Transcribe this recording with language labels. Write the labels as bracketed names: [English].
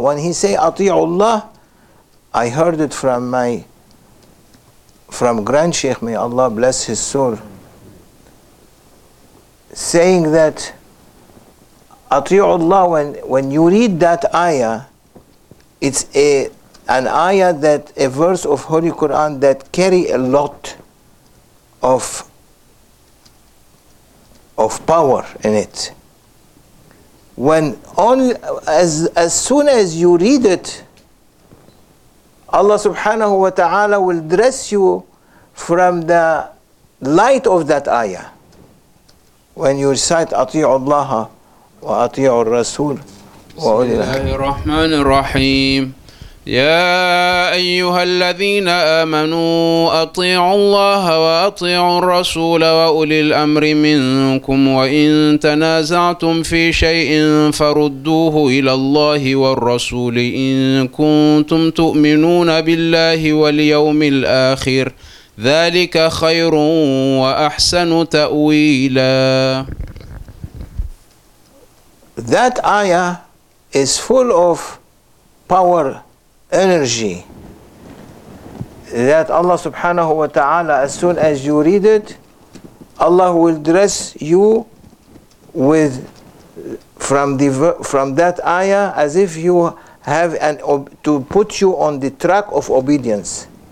[English] When he say ati'u Allah, I heard it from my Grand Sheikh, may Allah bless his soul, saying that ati'u Allah, when you read that ayah, it's an ayah that, a verse of Holy Quran that carry a lot of power in it. When only as soon as you read it, Allah subhanahu wa ta'ala will dress you from the light of that ayah. When you recite ati'u Allah wa ati'u Rasul. [Arabic] بسم الله الرحمن الرحيم يا أيها الذين آمنوا أطيعوا الله وأطيعوا الرسول وأولي الأمر منكم وإن تنازعتم في شيء فردوه إلى الله والرسول إن كنتم تؤمنون بالله واليوم الآخر ذلك خير وأحسن تأويلا. [English] That ayah is full of power, energy, that Allah subhanahu wa ta'ala, as soon as you read it, Allah will dress you with from that ayah as if you have to put you on the track of obedience.